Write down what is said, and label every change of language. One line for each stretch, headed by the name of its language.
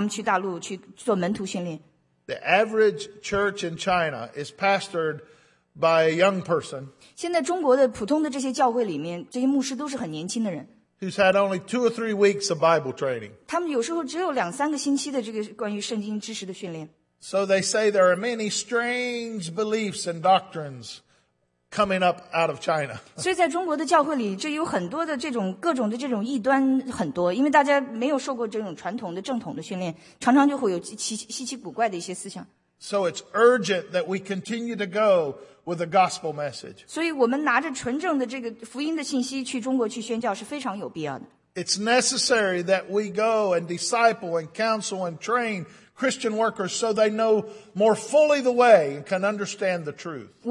Chinese: 已经是20年了,神就设立了在这个像许师母跟妈咪他们这样的宣教士心里就有这样的一个任务,他们去大陆去做门徒训练。
English: The average church in China is pastored by a young person.
Chinese: 现在中国的普通的这些教会里面,这些牧师都是很年轻的人。
English: Who's had only 2 or 3 weeks of Bible training.
Chinese: 他们有时候只有2-3个星期的这个关于圣经知识的训练。
English: So they say there are many strange beliefs and doctrines coming up out of China.
Chinese: 所以在中国的教会里，这有很多的这种各种的这种异端很多，因为大家没有受过这种传统的正统的训练，常常就会有奇奇怪怪的一些思想。
English: So it's urgent that we continue to go with the gospel message.
Chinese: 所以我们拿着纯正的这个福音的信息去中国去宣教是非常有必要的。
English: It's necessary that we go and disciple and counsel and train Christian workers so they know more fully the way and can understand the truth.